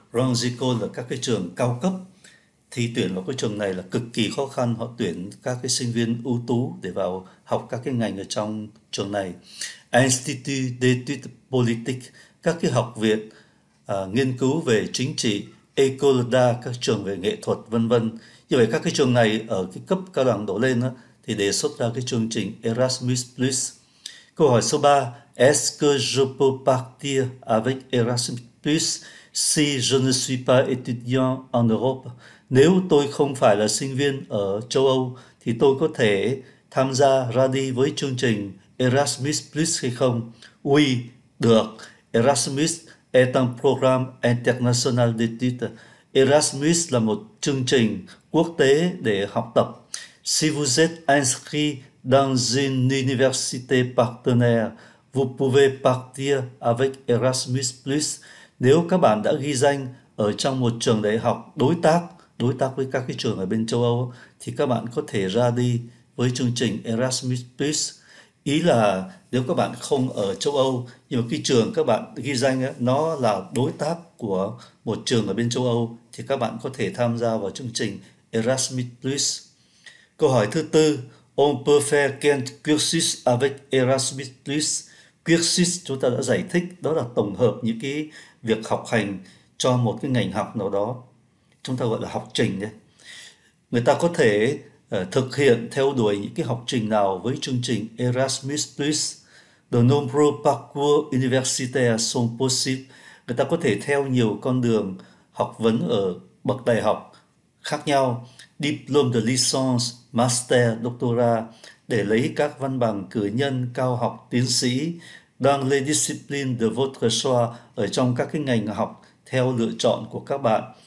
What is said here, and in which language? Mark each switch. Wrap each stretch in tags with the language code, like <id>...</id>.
<vi>Grandes écoles là các cái trường cao cấp. Thi tuyển vào cái trường này là cực kỳ khó khăn, họ tuyển các cái sinh viên ưu tú để vào học các cái ngành ở trong trường này. Institut d'études politiques, các cái học viện nghiên cứu về chính trị, École d'Art, các trường về nghệ thuật, vân vân. Như vậy các cái trường này ở cái cấp cao đẳng đổ lên đó, thì đề xuất ra cái chương trình Erasmus Plus. Câu hỏi số 3,</vi> <fr>est-ce que je peux partir avec Erasmus Plus si je ne suis pas étudiant en Europe?</fr> <vi>Nếu tôi không phải là sinh viên ở châu Âu thì tôi có thể tham gia ra đi với chương trình Erasmus Plus hay không?</vi> <fr>Oui,</fr> <vi>được.</vi> <fr>Erasmus est un programme international d'études.</fr> <vi>Erasmus là một chương trình quốc tế để học tập.</vi> <fr>Si vous êtes inscrit dans une université partenaire, vous pouvez partir avec Erasmus Plus.</fr> <vi>Nếu các bạn đã ghi danh ở trong một trường đại học đối tác với các cái trường ở bên châu Âu, thì các bạn có thể ra đi với chương trình Erasmus Plus. Ý là nếu các bạn không ở châu Âu nhưng mà cái trường các bạn ghi danh ấy, nó là đối tác của một trường ở bên châu Âu, thì các bạn có thể tham gia vào chương trình Erasmus Plus. Câu hỏi thứ tư,</vi> <fr>on peut faire quel cursus avec Erasmus Plus?</fr> <vi>Cursus chúng ta đã giải thích, đó là tổng hợp những cái việc học hành cho một cái ngành học nào đó, chúng ta gọi là học trình đấy. Người ta có thể thực hiện theo đuổi những cái học trình nào với chương trình Erasmus Plus.</vi> <fr>De nombreux parcours universitaires sont possibles.</fr> <vi>Người ta có thể theo nhiều con đường học vấn ở bậc đại học khác nhau,</vi> <fr>diplôme de licence, master, doctorat,</fr> <vi>để lấy các văn bằng cử nhân, cao học, tiến sĩ,</vi> <fr>dans les disciplines de votre choix,</fr> <vi>ở trong các cái ngành học theo lựa chọn của các bạn.</vi>